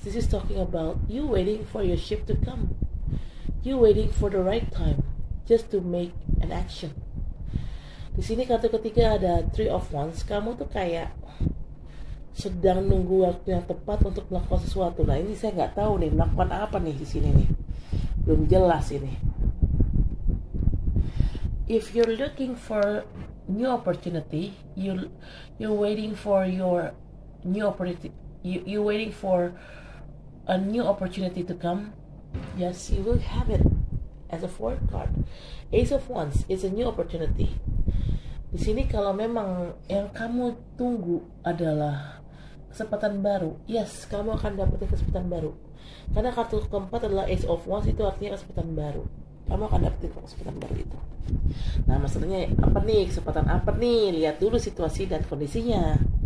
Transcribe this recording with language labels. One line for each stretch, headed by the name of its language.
English: This is talking about you waiting for your ship to come. You waiting for the right time just to make an action.
Indonesian: Di sini kartu ketiga ada Three of Wands. Kamu tuh kayak sedang nunggu waktu yang tepat untuk melakukan sesuatu. Nah, ini saya enggak tahu nih melakukan apa nih di sini nih. Belum jelas ini.
English: If you're looking for new opportunity, you're waiting for your new opportunity. You're waiting for a new opportunity to come. Yes, you will have it as a fourth card. Ace of Wands is a new opportunity.
Indonesian: Di sini kalau memang yang kamu tunggu adalah kesempatan baru, yes, kamu akan dapetin kesempatan baru. Karena kartu keempat adalah Ace of Wands, itu artinya kesempatan baru. Kamu akan dapetin kesempatan baru itu. Nah, maksudnya apa nih? Kesempatan apa nih? Lihat dulu situasi dan kondisinya.